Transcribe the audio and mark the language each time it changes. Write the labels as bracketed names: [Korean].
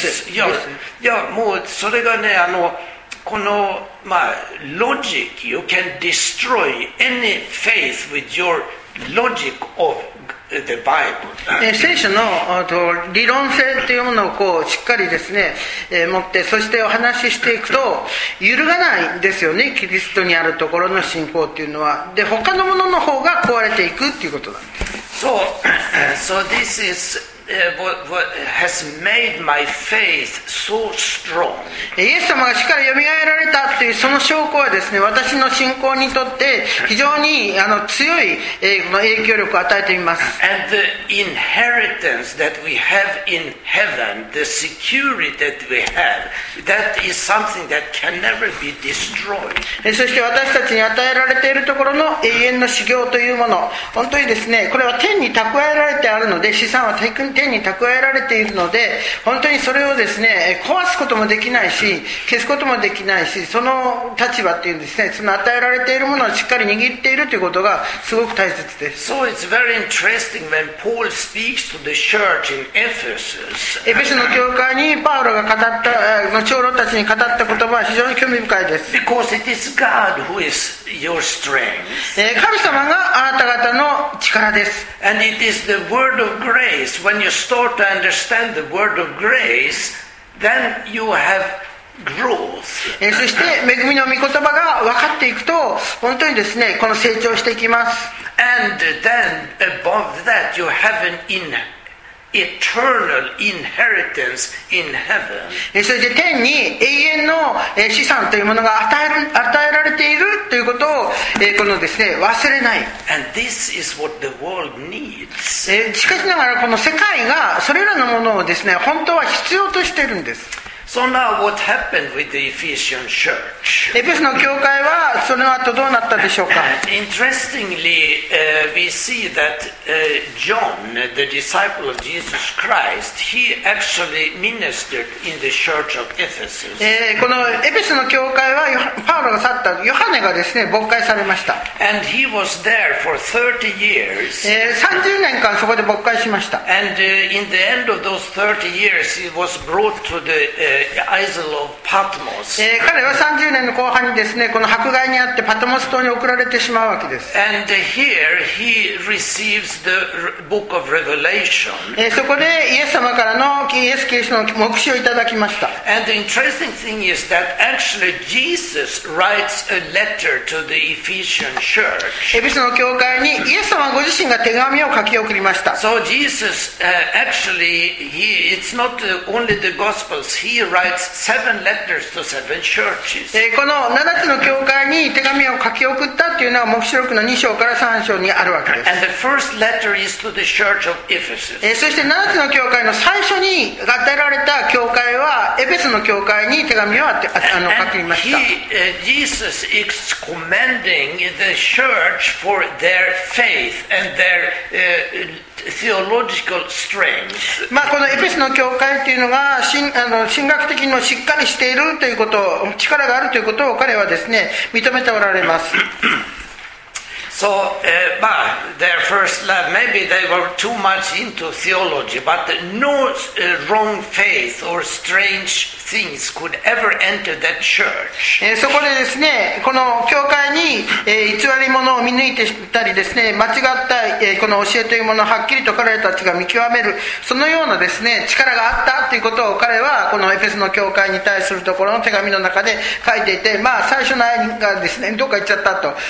[Japanese] いやもうそれがね、あのこの、まあ、 [English] logic you can destroy any faith with your logic of the Bible。 [Japanese] 聖書のあと理論性っていうものをこうしっかりですね、持って、そしてお話ししていくと揺るがないですよね、キリストにあるところの信仰っていうのは。で、他のものの方が壊れていくっていうことなんです。 [English] So this isWhat has made my faith so strong. [Japanese] イエス様が死から蘇られたというその証拠はですね、私の信仰にとって非常にあの強い、この影響力を与えています。 [English] And the inheritance that we have in heaven, the security that we have, that is something that can never be destroyed. [Japanese] そして私たちに与えられているところの永遠の修行というもの、本当にですね、これは天に蓄えられてあるので資産は低く天に蓄えられているので、本当にそれをですね、壊すこともできないし消すこともできないし、その立場っていうんですね、その与えられているものをしっかり握っているということがすごく大切です。 [English] So it's very interesting when Paul speaks to the church in Ephesus. [Japanese] エフェスの教会にパウロが語った、の長老たちに語った言葉は非常に興味深いです。 [English] Because it is God who is your strength. [Japanese] 神様があなた方の力です。 [English] And it is the word of graceWhen you start to understand the word of grace, then you have growth. [Japanese] そして恵みの御言葉が分かっていくと、本当にですね、この成長していきます。 [English] And then above that, you have an eternal inheritance in heaven. [Japanese] そして天に永遠の資産というものが与えられているということを、このですね、忘れない。 [English] And this is what the world needs. [Japanese] しかしながらこの世界がそれらのものをですね、本当は必要としているんです。 [English] So now what happened with the Ephesian church? [Japanese] エペソの教会はその後どうなったでしょうか。 [English] Interestingly, we see that John, the disciple of Jesus Christ, he actually ministered in the church of Ephesus. [Japanese] このエペソの教会はパウロが去ったヨハネがですね、牧会されました。 [English] And he was there for 30 years. [Japanese] 30年間そこで牧会しました。 [English] And in the end of those 30 years, he was brought to the Isle of Patmos. [Japanese] 彼は30年の後半にですね、この迫害にあってパトモス島に送られてしまうわけです。 [English] And here he receives the book of Revelation. [Japanese] そこでイエス様からのイエス・キリストの黙示をいただきました。 [English] And the interesting thing is that actually Jesus writes a letter to the Ephesian church. [Japanese] エフェソの教会にイエス様ご自身が手紙を書き送りました。 [English] So Jesus actually he it's not only the Gospels. He writes seven letters to seven churches. [Japanese] この7つの教会に手紙を書き送ったというのは黙示録の2章から3章にあるわけです。 [English] And the first letter is to the church of Ephesus. [Japanese] そして7つの教会の最初に与えられた教会はエフェソの教会に手紙を書きました。 [English] Jesus is commending the church for their faith and their theological strength. [Japanese] まあこのエペソの教会というのが神あの神学的にもしっかりしているということ、力があるということを彼はですね認めておられます。 [English] So, their first love, maybe they were too much into theology, but no wrong faith or strange things could ever enter that church. [Japanese] そこでですね、この教会に偽り者を見抜いてたりですね、間違ったこの教えというものをはっきりと彼たちが見極める、そのようなですね、力があったということを彼はこのエフェスの教会に対するところの手紙の中で書いていて、まあ最初の愛がですね、どっか行っちゃったと。